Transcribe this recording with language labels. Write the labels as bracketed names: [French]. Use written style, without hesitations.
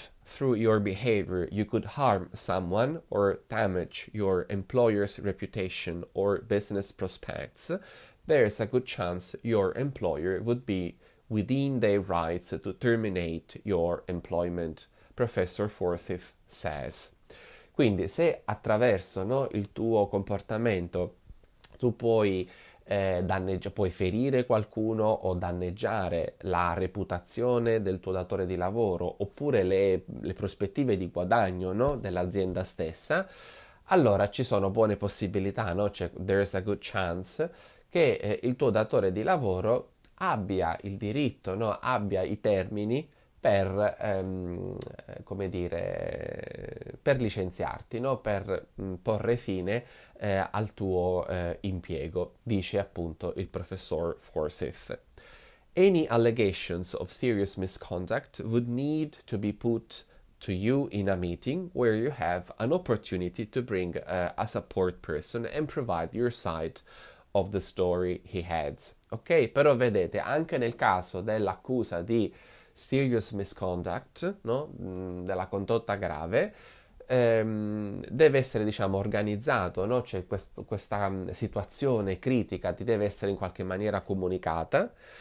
[English] Through your behavior, you could harm someone or damage your employer's reputation or business prospects. There is a good chance your employer would be within their rights to terminate your employment, Professor Forsyth says. [Italian] Quindi, se attraverso, no, il tuo comportamento tu puoi ferire qualcuno o danneggiare la reputazione del tuo datore di lavoro oppure le prospettive di guadagno, no? Dell'azienda stessa, allora ci sono buone possibilità, no? Cioè, [English] there is a good chance [Italian] che il tuo datore di lavoro abbia il diritto, no? Abbia i termini per, come dire, per licenziarti, no? Per porre fine al tuo impiego, dice appunto il professor Forsyth. [English] Any allegations of serious misconduct would need to be put to you in a meeting where you have an opportunity to bring a support person and provide your side of the story, he adds. [Italian] Ok, però vedete, anche nel caso dell'accusa di serious misconduct, no? Della condotta grave. Deve essere, diciamo, organizzato, no? Cioè questa situazione critica ti deve essere in qualche maniera comunicata.